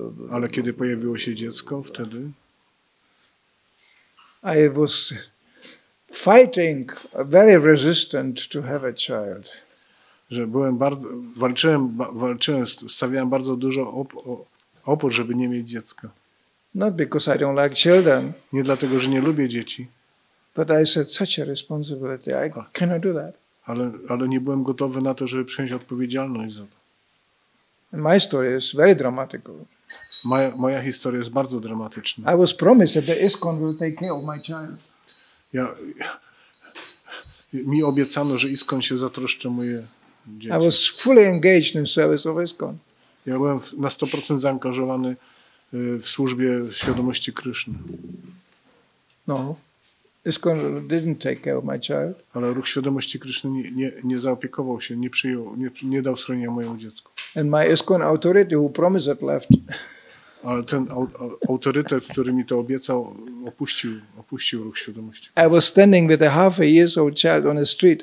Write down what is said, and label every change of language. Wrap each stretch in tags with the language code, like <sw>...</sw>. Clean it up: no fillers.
<pl>ale kiedy pojawiło się dziecko, wtedy</pl> <en>I was fighting, very resistant to have a child.</en> <pl>Że byłem bardzo, walczyłem, stawiałem bardzo dużo opór, żeby nie mieć dziecka.</pl> <en>Not because I don't like children.</en> <pl>Nie dlatego, że nie lubię dzieci.</pl> <en>But I said such a responsibility. I cannot do that.</en> <pl>Ale nie byłem gotowy na to, żeby przyjąć odpowiedzialność za to.</pl> <en>And my story is very dramatical.</en> <pl>Moja historia jest bardzo dramatyczna.</pl> <en>I was promised that the ISKCON will take care of my child.</en> <pl>Mi obiecano, że ISKCON się zatroszczy o moje dzieci.</pl> <en>I was fully engaged in service of ISKCON.</en> <pl>Ja byłem na 100% zaangażowany w służbie świadomości Kryszny.</pl> <en>No, ISKCON didn't take care of my child.</en> <pl>Ale ruch świadomości Kryszny nie zaopiekował się, nie przyjął, nie dał schronienia mojemu dziecku.</pl> <en>And my ISKCON authority who promised it left.</en> <pl>Ale ten autorytet, który mi to obiecał, opuścił ruch świadomości.</pl> <en>I was standing with a half a year old child on the street.</en>